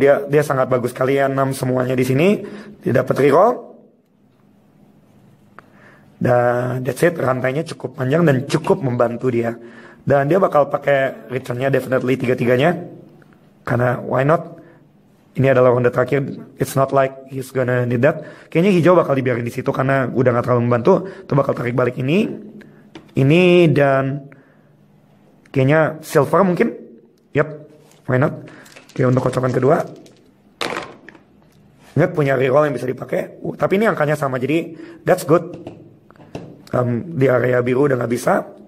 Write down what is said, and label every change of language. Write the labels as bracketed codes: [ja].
[id] Dia sangat bagus sekali ya, 6 semuanya di sini. Dia dapat reroll. Dan [en] that's it, [id] rantainya cukup panjang dan cukup membantu dia. Dan dia bakal pakai return-nya definitely 3-3-nya. Karena [en] why not? [id] Ini adalah ronde terakhir. [en] It's not like he's gonna need that. [id] Kayaknya hijau bakal dibiarin di situ karena udah gak terlalu membantu. Itu bakal tarik balik ini. Ini dan kayaknya silver mungkin. [en] Yep, why not? [id] Oke, untuk kocokan kedua. Nggak punya reroll yang bisa dipakai. Tapi ini angkanya sama, jadi [en] that's good. [id] Di area biru udah nggak bisa.